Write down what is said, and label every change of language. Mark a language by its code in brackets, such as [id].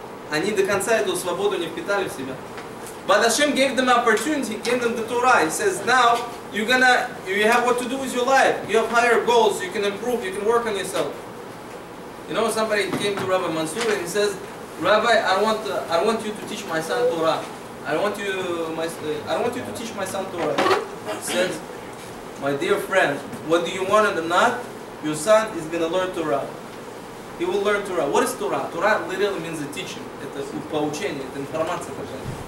[ru] Они до конца эту свободу не впитали в себя. [en] But Hashem gave them opportunity, gave them the Torah. He says, now you have what to do with your life. You have higher goals. You can improve. You can work on yourself. You know, somebody came to Rabbi Mansur and he says, Rabbi, I want you to teach my son Torah. I want you to teach my son Torah. He says, my dear friend, whether you want it or not, your son is going to learn Torah. He will learn Torah. What is Torah? Torah literally means the teaching. It's [ru] поучение, это информация такая.